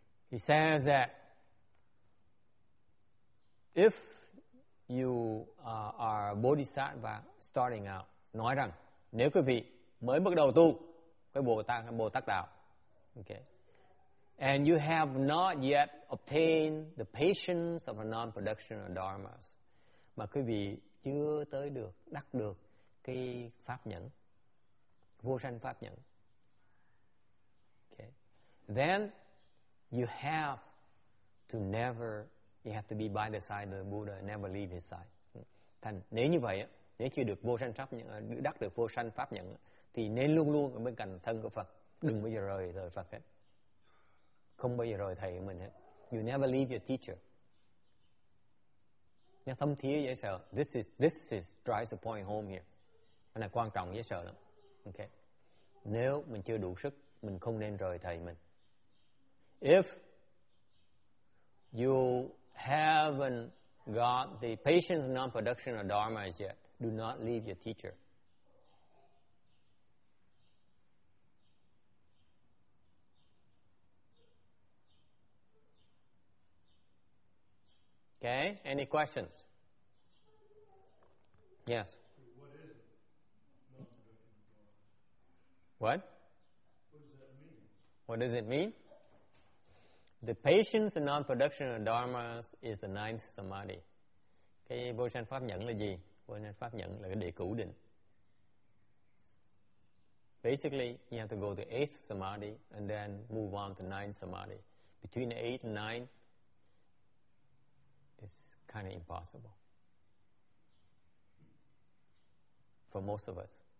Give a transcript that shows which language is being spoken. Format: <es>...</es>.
<en>He says that if you are a bodhisattva starting out,</en> <vi>nói rằng nếu quý vị mới bắt đầu tu với Bồ Tát đạo,</vi> <en>okay, and you have not yet obtained the patience of a non-productional dharmas,</en> <vi>mà quý vị chưa tới được đắc được cái pháp nhẫn, vô sanh pháp nhẫn,</vi> <en>okay, then you have to never, you have to be by the side of the Buddha, never leave his side.</en> <vi>Thành nếu như vậy, nếu chưa được vô sanh pháp nhẫn, đắc được vô sanh pháp nhẫn, thì nên luôn luôn ở bên cạnh thân của Phật, đừng bao giờ rời Phật hết, không bao giờ rời thầy của mình hết.</vi> <en>You never leave your teacher.</en> <vi>Nhà thâm thía dễ sợ.</vi> <en>This is drives the point home here.</en> <vi>Cái này quan trọng dễ sợ lắm. Okay. Nếu mình chưa đủ sức, mình không nên rời thầy mình.</vi> <en>If you haven't got the patience non-production of dharma as yet, do not leave your teacher. Okay, any questions? Yes. What is it? What? What does that mean? What does it mean? The patience and non-production of dharmas is the ninth samadhi.</en> <vi>Cái vô sanh pháp nhẫn là gì? Vô sanh pháp nhẫn là cái địa cửu định.</vi> <en>Basically, you have to go to eighth samadhi and then move on to ninth samadhi. Between the eight and nine, it's kind of impossible for most of us.</en>